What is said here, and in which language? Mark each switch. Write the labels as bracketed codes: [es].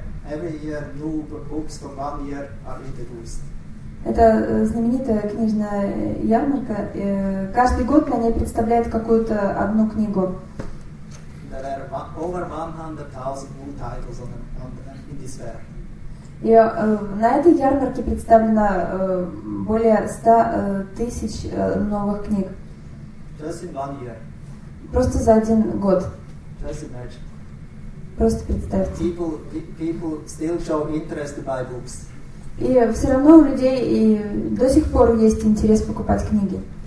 [en] Every year new books from one year are introduced. [ru] Это знаменитая книжная ярмарка. Каждый год на ней представляют какую-то одну книгу. [en] There are over 100,000 new titles in this fair. [ru] И на этой ярмарке представлено более 100 тысяч новых книг. [en] Just in one year. [ru] Просто за один год. [en] Just imagine. [ru] Просто представьте. [en] People still show interest to buy books. [ru] И все равно у людей и до сих пор есть интерес покупать книги.